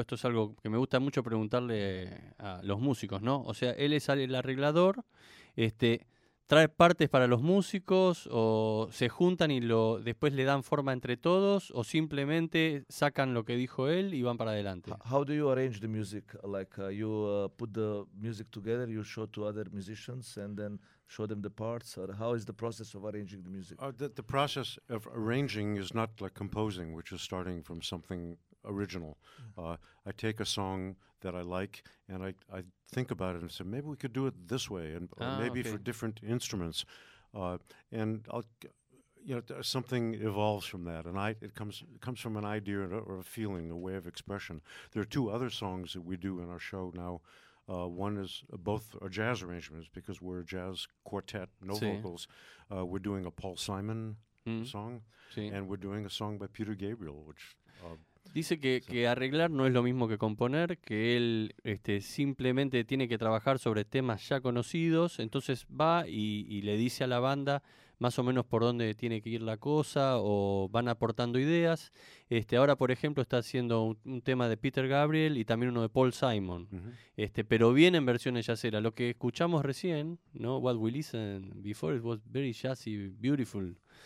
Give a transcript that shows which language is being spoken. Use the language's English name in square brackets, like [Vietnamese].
[Spanish] Esto es algo que me gusta mucho preguntarle a los músicos, ¿no? O sea, él es el arreglador, trae partes para los músicos, o se juntan y después le dan forma entre todos, o simplemente sacan lo que dijo él y van para adelante. [English] How do you arrange the music? Like you put the music together, you show to other musicians and then show them the parts, or how is the process of arranging the music? The process of arranging is not like composing, which is starting from something original. Yeah. I take a song that I like, and I think about it and say, maybe we could do it this way, and for different instruments. And something evolves from that, and it comes from an idea or a feeling, a way of expression. There are two other songs that we do in our show now. One is both are jazz arrangements because we're a jazz quartet, no vocals. We're doing a Paul Simon song, and we're doing a song by Peter Gabriel, which. [Spanish] Dice que arreglar no es lo mismo que componer, que él simplemente tiene que trabajar sobre temas ya conocidos, entonces va y le dice a la banda más o menos por dónde tiene que ir la cosa o van aportando ideas. Ahora, por ejemplo, está haciendo un tema de Peter Gabriel y también uno de Paul Simon, pero viene en versiones jazzera. Lo que escuchamos recién, ¿no? [English] What we listened before, it was very jazzy, beautiful.